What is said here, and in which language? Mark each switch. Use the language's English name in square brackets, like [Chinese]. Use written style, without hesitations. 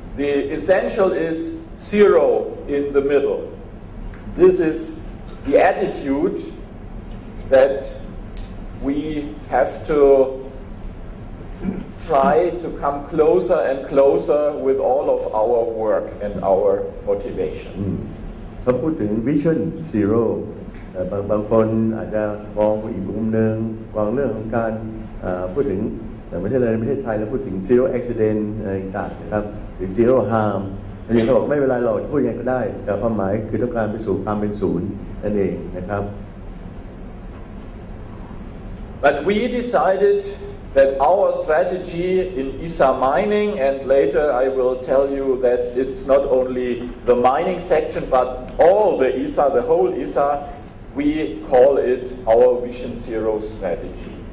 [English] The essential is zero in the middle. This is the attitude that we have to try to come closer and closer with all of our work and our motivation. [Thai] ถ้าพูดถึง Vision Zero บางคนอาจจะมองอีกมุมหนึ่งมองเรื่องของการพูดถึงแต่ไม่ใช่เลยในประเทศไทยแล้วพูดถึง Zero Accident อะไรต่างๆนะครับหรือ Zero Harm อันนี้เขาบอกไม่เป็นไรหรอกพูดยังไงก็ได้แต่ความหมายคือต้องการไปสู่ความเป็นศูนย์นั่นเองนะครับ [English] But we decidedthat our strategy in ISSA mining, and later I will tell you that it's not only the mining section, but all the ISSA, the whole ISSA, we call it our Vision Zero strategy.